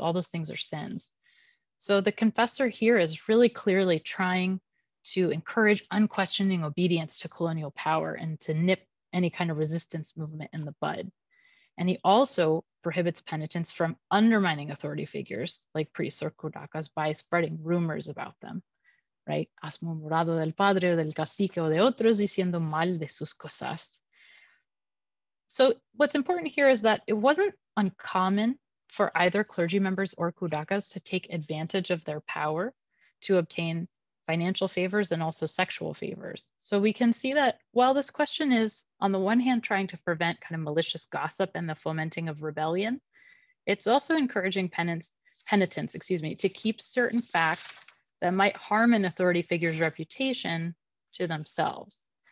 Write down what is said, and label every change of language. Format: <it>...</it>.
<en>All those things are sins. So the confessor here is really clearly trying to encourage unquestioning obedience to colonial power and to nip any kind of resistance movement in the bud. And he also prohibits penitents from undermining authority figures like priests or kudakas by spreading rumors about them, right?</en> <es>Has murmurado del padre, del cacique, o de otros diciendo mal de sus cosas.</es> <en>So what's important here is that it wasn't uncommon for either clergy members or kudakas to take advantage of their power to obtain financial favors and also sexual favors. So we can see that while this question is on the one hand trying to prevent kind of malicious gossip and the fomenting of rebellion, it's also encouraging penitents, to keep certain facts that might harm an authority figure's reputation to themselves.</en>